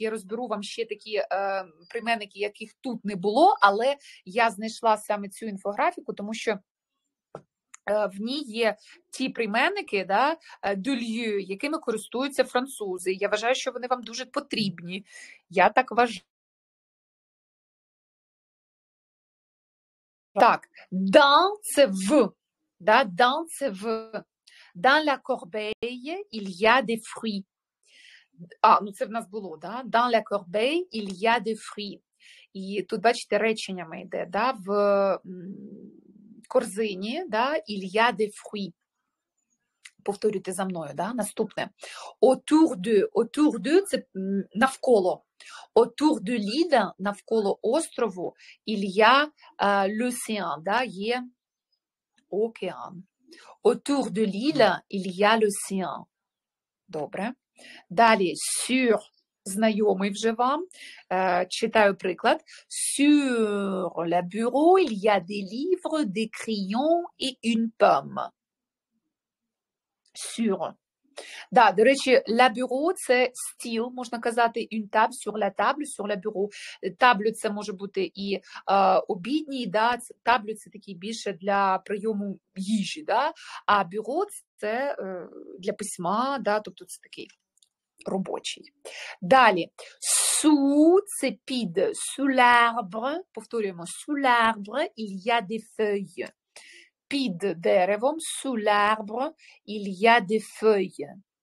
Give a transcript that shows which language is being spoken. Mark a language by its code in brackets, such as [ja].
[uk] Я розберу вам ще такі прийменники, яких тут не було, але я знайшла саме цю інфографіку, тому що в ній є ті прийменники, да, de lieu, якими користуються французи. Я вважаю, що вони вам дуже потрібні. Я так вважаю. Так, dans це в. Да, dans це в. [fr] Dans la corbeille, il y a des fruits. [uk] А, ну це в нас було, да? [fr] Dans la corbeille, il y a des fruits. [uk] І тут, бачите, реченнями йде, да? В корзині, да? [fr] Il y a des fruits. [uk] Повторюйте за мною, да? Наступне. Autour de, це навколо. [fr] Autour de l'île, [uk] навколо острову, [fr] il y a l'océan, да? [uk] Є океан. [fr] Autour de l'île, il y a l'océan. [uk] Добре. Далі, sur, знайомий вже вам, читаю приклад. [fr] Sur le bureau, il y a des livres, des crayons et une pomme. Sur. [uk] Да, до речі, la bureau, це стіл, можна казати, [fr] une table, sur la table, sur le bureau. [uk] Table, це може бути і обідній, да, table, це такий більше для прийому їжі, да, а бюро, це для письма, да, тобто це такий робочий. Далі. Sous, це під. [fr] Sous l'arbre, [uk] повторюємо. [fr] Sous l'arbre, il y a des feuilles. [uk] Під деревом. [fr] Sous l'arbre, il y a des feuilles.